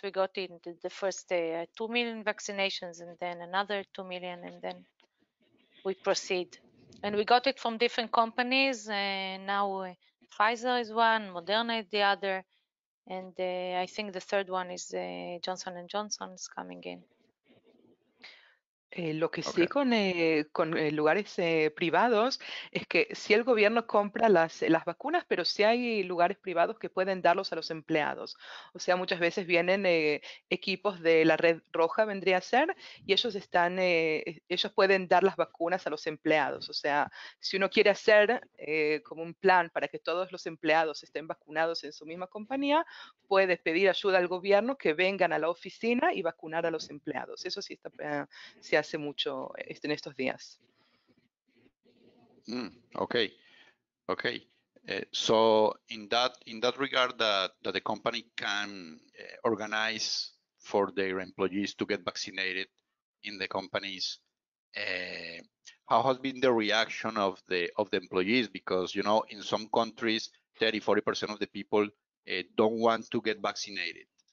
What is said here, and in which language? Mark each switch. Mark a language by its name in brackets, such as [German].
[English] We got in the first 2 million vaccinations, and then another 2 million, and then we proceed. And we got it from different companies, and now Pfizer is one, Moderna is the other. And I think the third one is Johnson & Johnson is coming in. [Spanish] Lo que okay. sí con lugares privados es que si el gobierno compra las vacunas, pero si sí hay lugares privados que pueden darlos a los empleados. O sea, muchas veces vienen equipos de la Red Roja, vendría a ser, y ellos están ellos pueden dar las vacunas a los empleados. O sea, si uno quiere hacer como un plan para que todos los empleados estén vacunados en su misma compañía, puede pedir ayuda al gobierno que vengan a la oficina y vacunar a los empleados. Eso sí está se hace mucho en estos días. [English] Okay. So in that regard, that the company can organize for their employees to get vaccinated in the companies. How has been the reaction of the employees? Because you know, in some countries, 30-40% of the people don't want to get vaccinated.